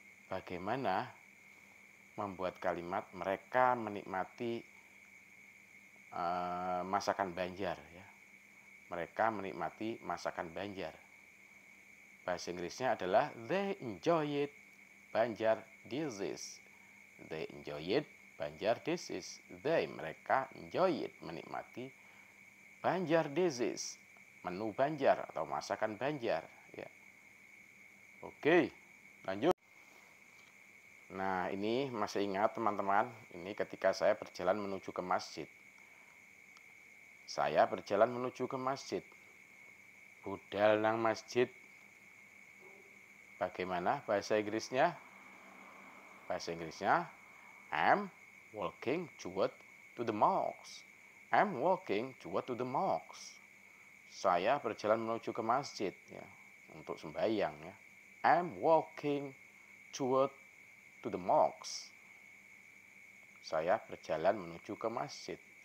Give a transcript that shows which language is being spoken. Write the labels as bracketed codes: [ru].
[id] Bagaimana membuat kalimat mereka menikmati masakan Banjar, ya. Mereka menikmati masakan Banjar. Bahasa Inggrisnya adalah [en] they enjoy it, Banjar dishes. They enjoy it, Banjar dishes. [id] They, mereka [en] enjoy it, [id] menikmati [en] Banjar dishes, [id] menu Banjar atau masakan Banjar. Ya. Oke, lanjut. Nah, ini masih ingat teman-teman, ini ketika saya berjalan menuju ke masjid. Saya berjalan menuju ke masjid. [bjn] Budal nang masjid. [id] Bagaimana bahasa Inggrisnya? Bahasa Inggrisnya, [en] I'm walking toward to the mosque. I'm walking toward to the mosque. [id] Saya berjalan menuju ke masjid ya, untuk sembahyang ya. [en] I'm walking toward to the mosque. [id] Saya berjalan menuju ke masjid.